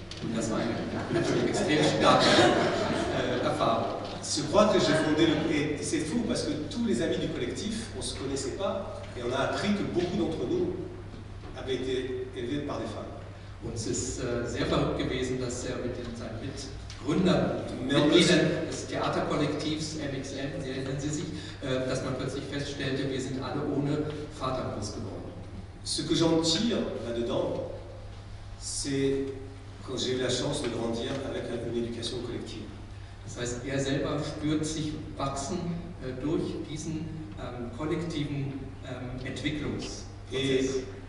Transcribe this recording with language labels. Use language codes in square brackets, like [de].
[de] Und das war eine natürlich extrem starke Erfahrung. [fr] Je crois que j'ai fondé le. Et c'est fou parce que tous les amis du collectif, on ne se connaissait pas et on a appris que beaucoup d'entre nous avaient été élevés par des femmes. [de] Und es ist sehr verrückt gewesen, dass er mit seinen Mitgründern, Mitgliedern des Theaterkollektivs MXM, erinnern Sie sich, dass man plötzlich feststellte, wir sind alle ohne Vater groß geworden. [fr] Ce que j'en tire là-dedans, c'est quand j'ai eu la chance de grandir avec une éducation collective. [de] Das heißt, er selber spürt sich wachsen durch diesen kollektiven Entwicklungsprozess.